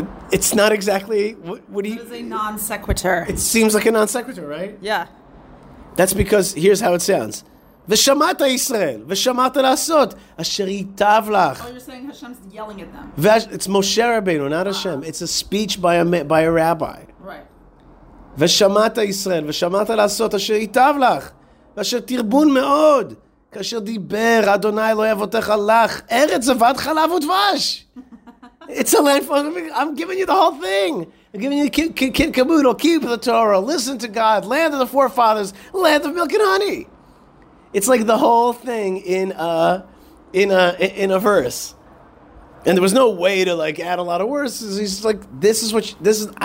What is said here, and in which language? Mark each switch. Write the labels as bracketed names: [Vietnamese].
[English] It's not exactly what he. It is a non sequitur. It seems like a non sequitur, right? Yeah. That's because here's how it sounds. [Hebrew] V'shamata Yisrael, v'shamata lasot, asher itav lach. [English] Oh, you're saying Hashem's yelling at them. It's Moshe Rabbeinu, not Hashem. It's a speech by a rabbi. Right. [Hebrew] ושמעת ישראל, ושמעת לעשות אשר יטב לך, ואשר תרבון מאוד, כאשר דיבר אדוני אלוהי אבותיך לך, ארץ זבת חלב ודבש. [English] It's a life, I'm giving you the whole thing. I'm giving you kid kabuto, keep the Torah, listen to God, land of the forefathers, land of milk and honey. It's like the whole thing in a verse. And there was no way to like add a lot of words. He's just like, this is what you, this is.